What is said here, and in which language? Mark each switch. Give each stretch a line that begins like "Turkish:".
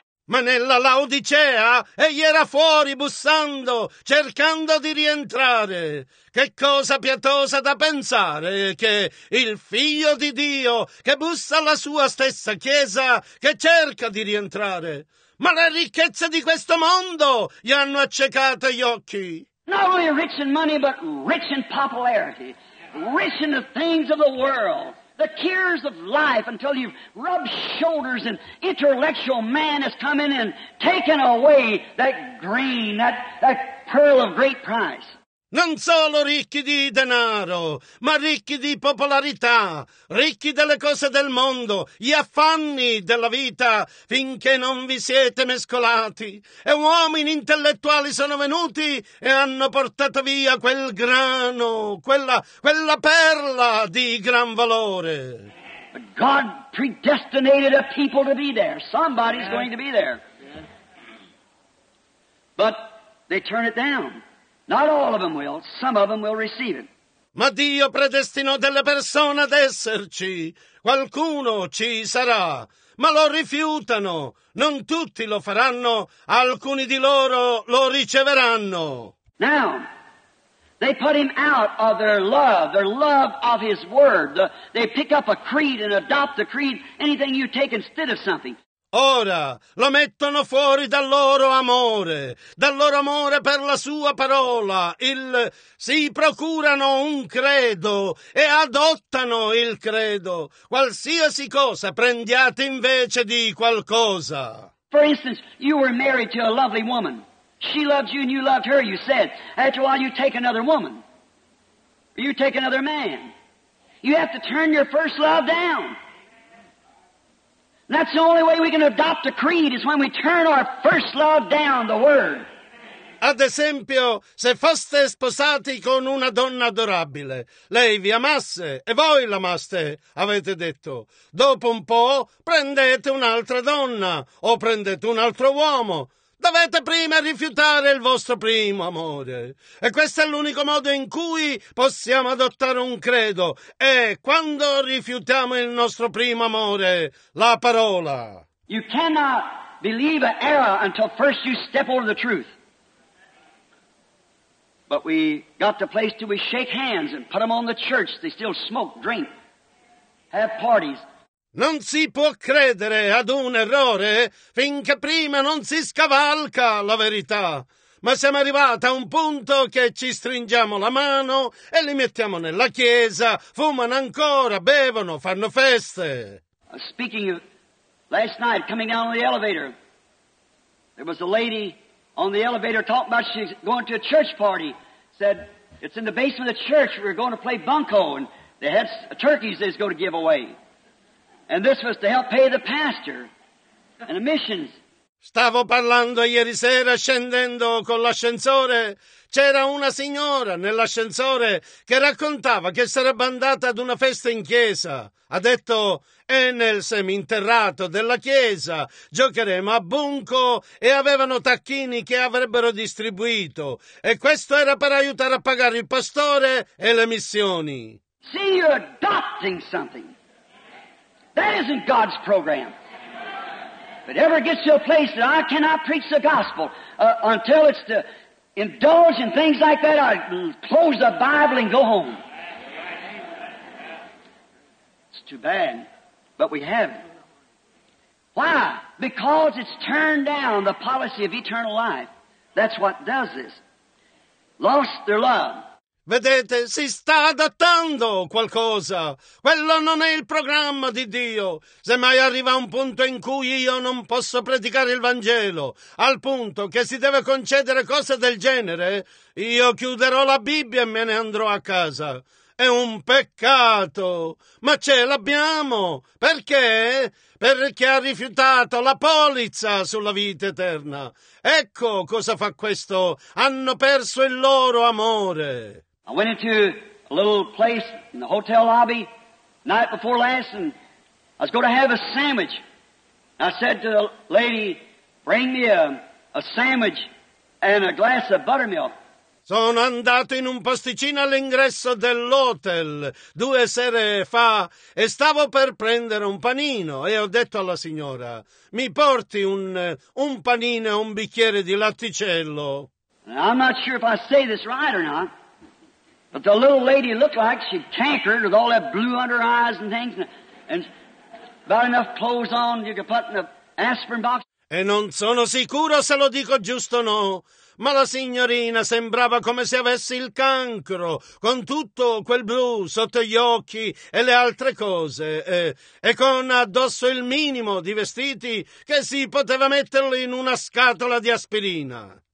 Italian: Ma nella Laodicea egli era fuori bussando, cercando di rientrare. Che cosa pietosa da pensare che il Figlio di Dio che bussa alla sua stessa chiesa che cerca di rientrare. Ma le ricchezze di questo mondo gli hanno accecato gli occhi.
English: Not only rich in money, but rich in popularity, rich in the things of the world, the cares of life, until you rub shoulders and intellectual man has come in and taken away that grain, that pearl of great price.
Italian: Non solo ricchi di denaro, ma ricchi di popolarità, ricchi delle cose del mondo, gli affanni della vita, finché non vi siete mescolati. E uomini intellettuali sono venuti e hanno portato via quel grano, quella perla di gran valore.
English: God predestinated a people to be there. Somebody's going to be there. But they turn it down. Not all of them will. Some of them will receive it.
Italian: Ma Dio predestinò delle persone ad esserci. Qualcuno ci sarà, ma lo rifiutano. Non tutti lo faranno. Alcuni di loro lo riceveranno.
English: Now, they put him out of their love of his word. They pick up a creed and adopt the creed, anything you take instead of something.
Italian: Ora lo mettono fuori dal loro amore per la sua parola. Si procurano un credo e adottano il credo. Qualsiasi cosa prendiate invece di qualcosa.
English: For instance, you were married to a lovely woman. She loved you and you loved her, you said. After a while, you take another woman. You take another man. You have to turn your first love down. That's the only way we can adopt a creed is when we turn our first love down, the word.
Italian: Ad esempio, se foste sposati con una donna adorabile, lei vi amasse e voi l'amaste, avete detto. Dopo un po' prendete un'altra donna o prendete un altro uomo. Dovete prima rifiutare il vostro primo amore. E questo è l'unico modo in cui possiamo adottare un credo. E quando rifiutiamo il nostro primo amore, la parola.
English: You cannot believe an error until first you step over the truth. But we got the place till we shake hands and put them on the church. They still smoke, drink, have parties.
Italian: Non si può credere ad un errore finché prima non si scavalca la verità. Ma siamo arrivati a un punto che ci stringiamo la mano e li mettiamo nella chiesa, fumano ancora, bevono, fanno feste.
English: Speaking of last night, coming down on the elevator, there was a lady on the elevator talking about she's going to a church party. Said, it's in the basement of the church, we're going to play bunco, and they had turkeys they was going to give away. And this was to help pay the pastor and the missions.
Italian: Stavo parlando ieri sera scendendo con l'ascensore. C'era una signora nell'ascensore che raccontava che sarebbe andata ad una festa in chiesa. Ha detto, è nel seminterrato della chiesa, giocheremo a bunco e avevano tacchini che avrebbero distribuito. E questo era per aiutare a pagare il pastore e le missioni.
English: See, you're adopting something. That isn't God's program. If it ever gets to a place that I cannot preach the gospel until it's to indulge in things like that, I close the Bible and go home. It's too bad, but we have it. Why? Because it's turned down the policy of eternal life. That's what does this. Lost their love.
Italian: Vedete, si sta adattando qualcosa. Quello non è il programma di Dio. Se mai arriva un punto in cui io non posso predicare il Vangelo, al punto che si deve concedere cose del genere, io chiuderò la Bibbia e me ne andrò a casa. È un peccato. Ma ce l'abbiamo. Perché? Perché ha rifiutato la polizza sulla vita eterna. Ecco cosa fa questo. Hanno perso il loro amore.
English: I went into a little place in the hotel lobby night before last, and I was going to have a sandwich. And I said to the lady, bring me a sandwich and a glass of buttermilk.
Italian: Sono andato in un posticino all'ingresso dell'hotel due sere fa e stavo per prendere un panino e ho detto alla signora: mi porti un panino e un bicchiere di latticello?
English: I'm not sure if I say this right or not, but the little lady looked like she cankered with all that blue under her eyes and things and about enough clothes on you could put in an aspirin box.
Italian: E non sono sicuro se lo dico giusto o no, ma la signorina sembrava come se avesse il cancro, con tutto quel blu sotto gli occhi e le altre cose, e con addosso il minimo di vestiti che si poteva metterlo in una scatola di aspirina.